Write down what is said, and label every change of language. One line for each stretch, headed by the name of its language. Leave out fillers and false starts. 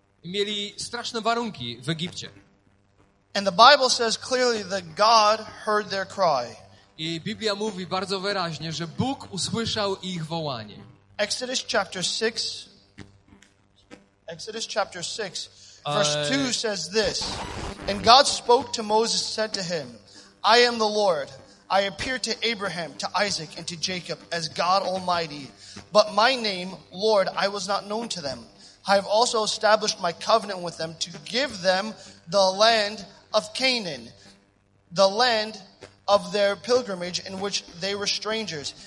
Polish: Mieli straszne warunki w Egipcie.
English: And the Bible says clearly that God heard their cry.
Polish: I Biblia mówi bardzo wyraźnie, że Bóg usłyszał ich wołanie.
English: Exodus chapter 6. Exodus chapter 6, verse 2 says this. And God spoke to Moses, said to him, I am the Lord. I appeared to Abraham, to Isaac, and to Jacob as God Almighty. But my name, Lord, I was not known to them. I have also established my covenant with them to give them the land of Canaan, the land of their pilgrimage in which they were strangers.